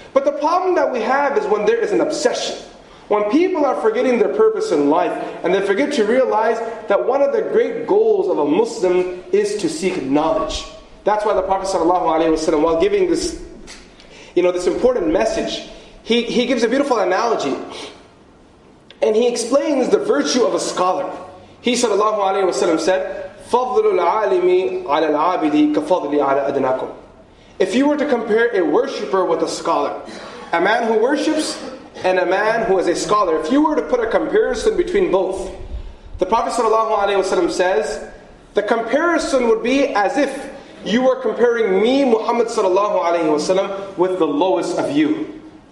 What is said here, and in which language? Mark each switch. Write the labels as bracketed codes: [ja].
[en] But the problem that we have is when there is an obsession. When people are forgetting their purpose in life, and they forget to realize that one of the great goals of a Muslim is to seek knowledge. That's why the Prophet sallallahu alaihi wasallam, while giving this, you know, this important message, he gives a beautiful analogy. And he explains the virtue of a scholar. He sallallahu alaihi wasallam said, [ar] "فَضْلُ الْعَالِمِ عَلَى الْعَابِدِ كَفَضْلِ عَلَى أَدْنَاكُمْ." [en] If you were to compare a worshipper with a scholar, a man who worships and a man who is a scholar, if you were to put a comparison between both, the Prophet sallallahu alaihi wasallam says, the comparison would be as if you were comparing me, Muhammad sallallahu alaihi wasallam, with the lowest of you.